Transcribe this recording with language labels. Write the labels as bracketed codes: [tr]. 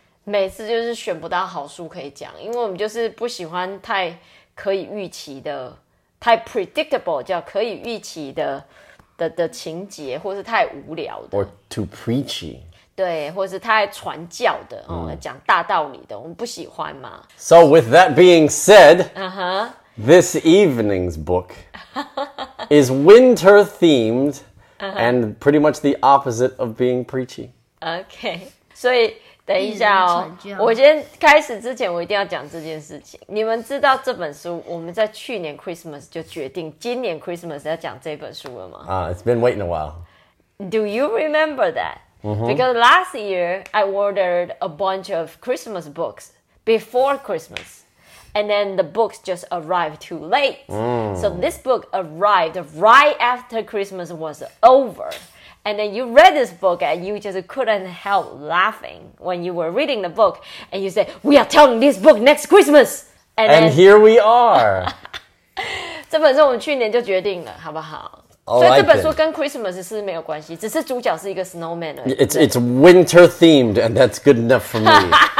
[zh] 每次就是选不到好书可以讲，因为我们就是不喜欢太可以预期的，太 predictable 叫可以预期的 的情节，或是太无聊的 [en] or too preachy， [zh] 对，或是太传教的，讲大道理的，我们不喜欢嘛。 [en] So with that being said, this evening's book is winter themed, and pretty much the opposite of being preachy. [zh] Okay, 所以。等一下哦，我先开始之前，我一定要讲这件事情。你们知道这本书，我们在去年 Christmas 就决定今年 Christmas 要讲这本书了吗？ [en] It's been waiting a while. Do you remember that? Because last year I ordered a bunch of Christmas books before Christmas, and then the books just arrived too late. So this book arrived right after Christmas was over. And then you read this book and you just couldn't help laughing when you were reading the book. And you said, we are telling this book next Christmas. And then, here we are. [zh] 这本书我们去年就决定了，好不好？ Oh, 所以这本书跟 Christmas 是没有关系，只是主角是一个 snowman 而已。 [en] It's winter themed and that's good enough for me.